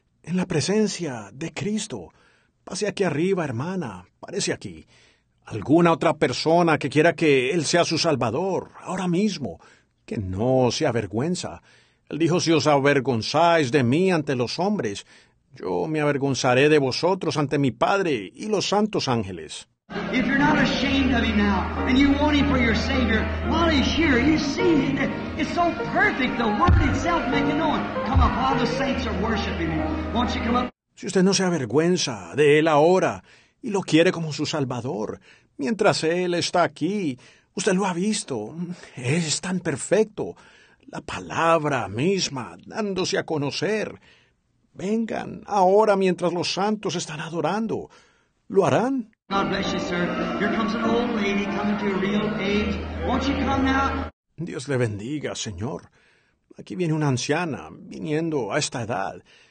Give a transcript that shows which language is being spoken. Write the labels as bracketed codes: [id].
[es] En la presencia de Cristo. Pase aquí arriba, hermana. Párese aquí. ¿Alguna otra persona que quiera que Él sea su Salvador? Ahora mismo. Que no se avergüenza. Él dijo, si os avergonzáis de mí ante los hombres, yo me avergonzaré de vosotros ante mi Padre y los santos ángeles. [en] If you're not ashamed of him now, and you want him for your Savior, while he's here, you see, it's so perfect, the word itself making known. Come up, all the saints are worshiping him. Won't you come up? [es] Si usted no se avergüenza de él ahora, y lo quiere como su Salvador, mientras él está aquí, usted lo ha visto, es tan perfecto, la palabra misma, dándose a conocer. Vengan, ahora mientras los santos están adorando, ¿lo harán? [en] God bless you, sir. Here comes an old lady coming to a real age. Won't you come now? [es] Dios le bendiga, señor. Aquí viene una anciana viniendo a esta edad.